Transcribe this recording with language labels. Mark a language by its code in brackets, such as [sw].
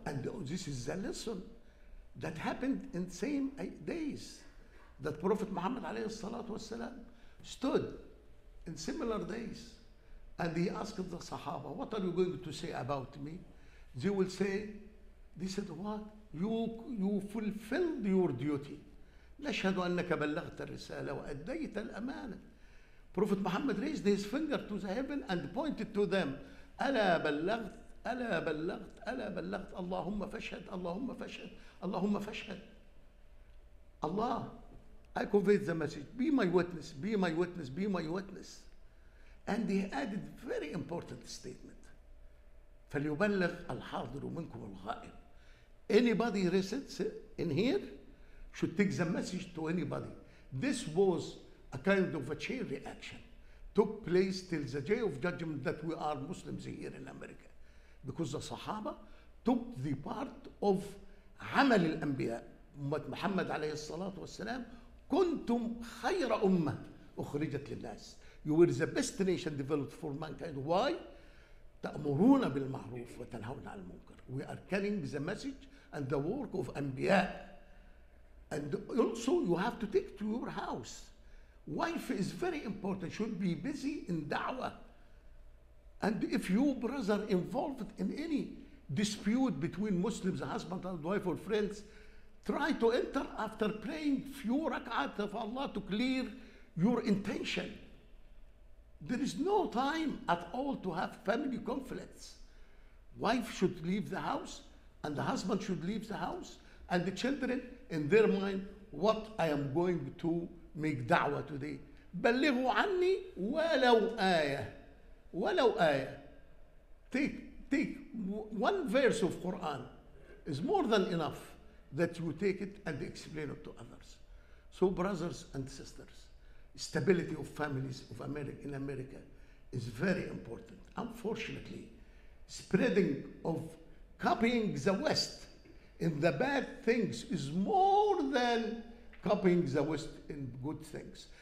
[en] And this is the lesson that happened in the same days that Prophet Muhammad alayhi salatu wasalam stood in similar days. And he asked the Sahaba, what are you going to say about me? They will say, they said, what? you fulfilled your duty. [ar] نشهد أنك بلغت الرسالة وأديت الأمانة. [en] Prophet Muhammad raised his finger to the heaven and pointed to them. [ar] ألا بلغت؟ ألا بلغت؟ ألا بلغت؟ اللهم فاشهد، اللهم فاشهد، اللهم فاشهد. [en] Allah, I conveyed the message. Be my witness, be my witness, be my witness. And he added a very important statement. [ar] فليبلغ الحاضر منكم الغائب. [en] Anybody resides in here should take the message to anybody. This was a kind of a chain reaction. Took place till the day of judgment that we are Muslims here in America. Because the Sahaba took the part of [ar] عمل الأنبياء. أمت محمد عليه الصلاة والسلام كنتم خير أمة أخرجت للناس. [en] You were the best nation developed for mankind. Why? [ar] تأمرون بالمعروف وتنهون عن المنكر. [en] We are carrying the message and the work of أنبياء. And also you have to take to your house. Wife is very important. Should be busy in دعوة. And if your brother involved in any dispute between Muslims, husband and wife or friends, try to enter after praying few rak'at of Allah to clear your intention. There is no time at all to have family conflicts. Wife should leave the house and the husband should leave the house and the children in their mind, what I am going to make da'wah today. [ar] بلغوا عني ولو آية ولو آية. [en] Take one verse of Quran is more than enough that you take it and explain it to others. So brothers and sisters, stability of families of America in America is very important. Unfortunately, spreading of copying the West in the bad things is more than copying the West in good things.